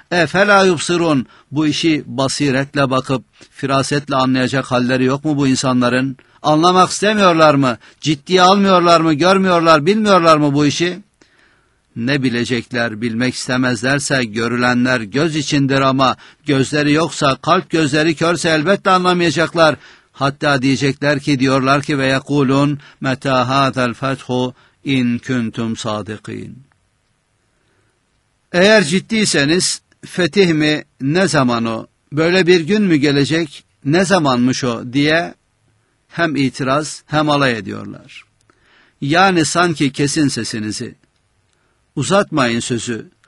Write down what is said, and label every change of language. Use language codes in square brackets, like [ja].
[ar] Efela yubsirun, [tr] bu işi basiretle bakıp, firasetle anlayacak halleri yok mu bu insanların? Anlamak istemiyorlar mı, ciddiye almıyorlar mı, görmüyorlar, bilmiyorlar mı bu işi? Ne bilecekler, bilmek istemezlerse görülenler göz içindir ama gözleri yoksa, kalp gözleri körse elbette anlamayacaklar. Hatta diyecekler ki, diyorlar ki, [ar] وَيَقُولُنْ مَتَى هَذَا الْفَتْحُ اِنْ كُنْتُمْ صَادِقِينَ. [tr] Eğer ciddiyseniz, fetih mi, ne zaman o, böyle bir gün mü gelecek, ne zamanmış o diye hem itiraz hem alay ediyorlar. Yani sanki kesin sesinizi. Uzatmayın sözü.